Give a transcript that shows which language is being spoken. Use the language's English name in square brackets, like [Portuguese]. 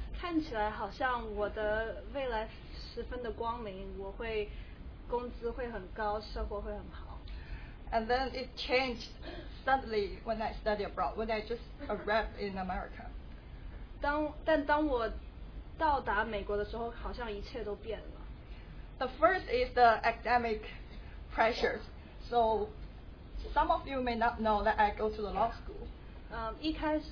[Chinese] 看起来好像我的未来十分的光明，我会工资会很高，生活会很好。 [English] And then it changed suddenly when I study abroad. When I just arrived in America. [Chinese] 但当我 到达美国的时候，好像一切都变了。 [English] The first is the academic pressures. So some of you may not know that I go to the law school.